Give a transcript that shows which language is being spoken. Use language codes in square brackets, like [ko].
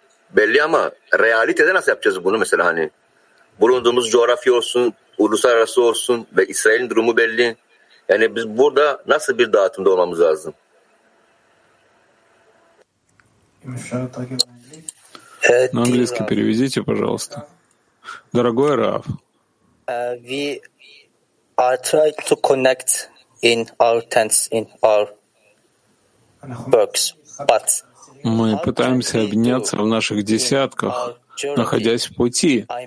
[tr] Belli ama realitede nasıl yapacağız bunu mesela hani bulunduğumuz coğrafya olsun, uluslararası olsun ve İsrail'in durumu belli. Yani biz burada nasıl bir dağıtımda olmamız lazım? [ru] На английский переведите, пожалуйста. Дорогой Рав. [en] We are trying to connect in our tents, in our works, but [ru] мы пытаемся обняться в наших десятках, находясь в пути.